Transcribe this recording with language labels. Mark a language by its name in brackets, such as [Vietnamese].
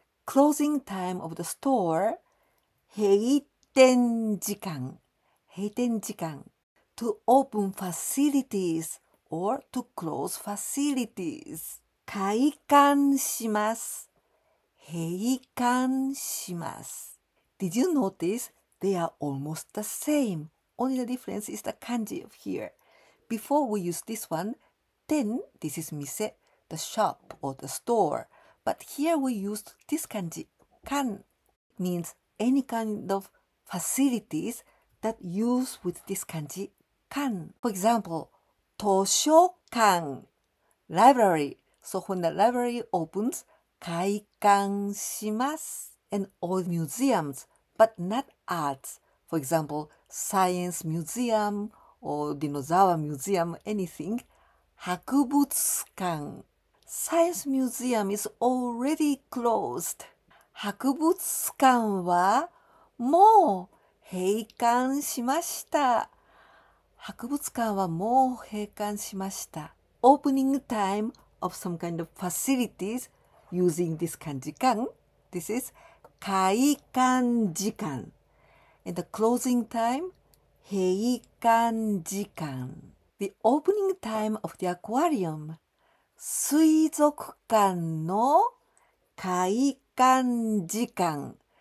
[English] Closing time of the store, 閉店時間。閉店時間. To open facilities or to close facilities. [Japanese] 開館します。閉館します。 [English] Did you notice they are almost the same? Only the difference is the kanji of here. Before we use this one, ten, this is mise, the shop or the store. But here we use this kanji, kan. It means any kind of facilities that use with this kanji, kan. For example, 図書館, library. So when the library opens, [Japanese] 開館します. [English] And all museums, but not arts. For example, science museum or dinosaur museum, anything. 博物館.Science museum is already closed. [Japanese] 博物館はもう閉館しました. 博物館はもう閉館しました. [English] Opening time of some kind of facilities using this kanjikan. This is 開館時間.And the closing time, 閉館時間. The opening time of the aquarium, [Japanese] 水族館の開館時間.